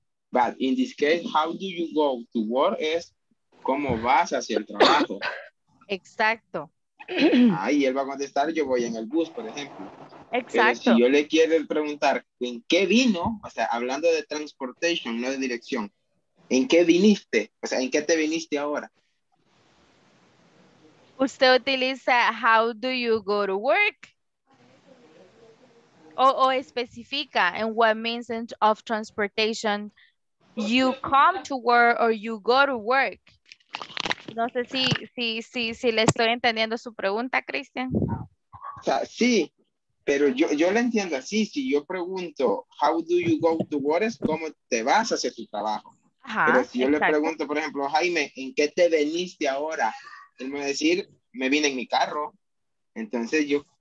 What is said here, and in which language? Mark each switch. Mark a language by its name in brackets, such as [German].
[English] But in this case, how do you go to work [Spanish] es cómo vas hacia el trabajo. Exacto. Ahí él va a contestar, yo voy en el bus, por ejemplo. Exacto. Pero si yo le quiero preguntar, ¿en qué vino? O sea, hablando de transportation, no de dirección. ¿En qué viniste? O sea, ¿en qué te viniste ahora? Usted utiliza, [English] how do you go to work? [Spanish] O especifica, en [English] what means of transportation you come to work or you go to work. [Spanish] No sé si le estoy entendiendo su pregunta, Cristian. O sea, sí. Pero yo lo entiendo así, si yo pregunto, [English] how do you go to work, [Spanish] es cómo te vas hacia tu trabajo. Ajá, pero si yo, exacto, le pregunto, por ejemplo, Jaime, ¿en qué te viniste ahora? Él me va a decir, me vine en mi carro. Entonces yo